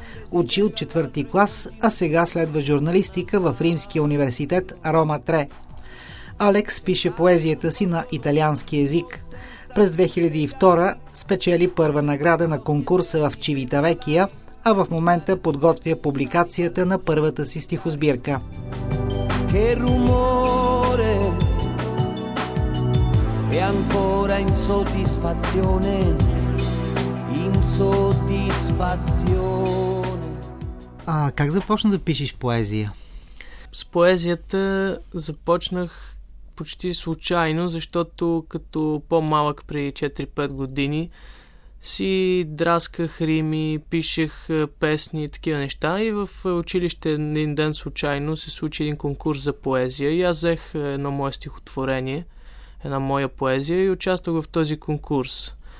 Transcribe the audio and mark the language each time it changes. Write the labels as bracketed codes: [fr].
[bg] Учи от 4-ти клас, а сега следва журналистика в Римския университет Рома Тре. Алекс пише поезията си на италиански език. През 2002 спечели първа награда на конкурса в Чивитавекия, а в момента подготвя публикацията на първата си стихосбирка. [it] Che rumore e ancora insoddisfazione, insoddisfazione. [bg] А как започна да пишеш поезия? С поезията започнах почти случайно, защото като по-малък преди 4-5 години си драсках рими, пишех песни и такива неща, и в училище един ден случайно се случи един конкурс за поезия и аз взех едно мое стихотворение, една моя поезия и участвах в този конкурс.